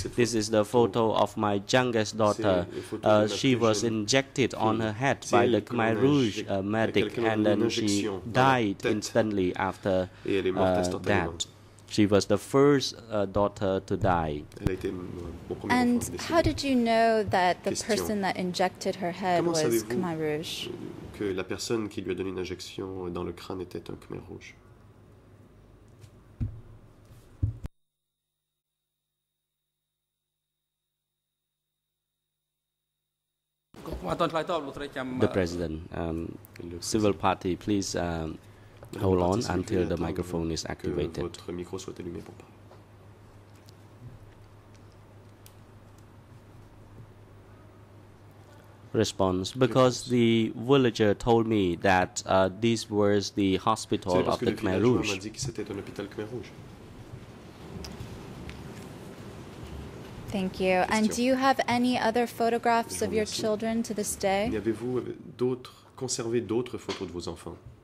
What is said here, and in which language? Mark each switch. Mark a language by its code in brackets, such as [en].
[en] This is the photo of my youngest daughter. She was injected on her head by the Khmer Rouge medic, and then she died instantly after that. She was the first daughter to die. And how did you know that the person that injected her head was Khmer Rouge? [fr] Que la personne qui lui a donné une injection dans le crâne était un Khmer Rouge. [en] The President, civil party, please. Hold on until the microphone is activated. [fr] Votre micro soit allumé pour parler. [en] Response: because the villager told me that this was the hospital of the Khmer Rouge. [fr] M'a dit que c'était un hôpital Khmer Rouge. [en] Thank you. Question. And do you have any other photographs of your children to this day? [fr] N'avez-vous d'autres conservé d'autres photos de vos enfants?